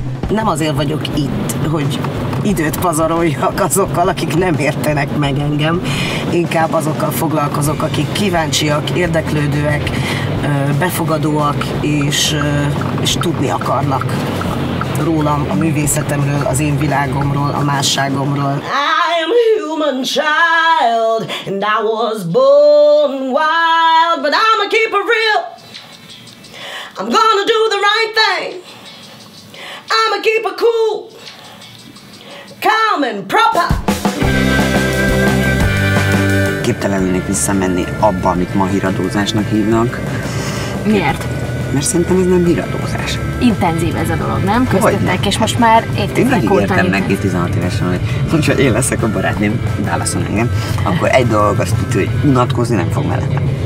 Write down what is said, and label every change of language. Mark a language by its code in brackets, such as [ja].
[hu] Nem azért vagyok itt, hogy időt pazaroljak azokkal, akik nem értenek meg engem. Inkább azokkal foglalkozok, akik kíváncsiak, érdeklődőek, befogadóak, és tudni akarnak rólam, a művészetemről, az én világomról, a másságomról. [en] I'm a human child, and I was born wild, but I'ma keep it real, I'm gonna do the right thing. I'ma keep it cool, calm and proper. [hu] Képtelen lennék visszamenni abba, amit ma híradózásnak hívnak. Miért? Mert szerintem ez nem híradózás. Intenzív ez a dolog, nem? Köztetek, és most már évtizedek óta. Én megígértem neki 16 évesen, hogy hogyha én leszek a barátném, válaszol engem, akkor egy dolog azt tudja, hogy unatkozni nem fog mellettem.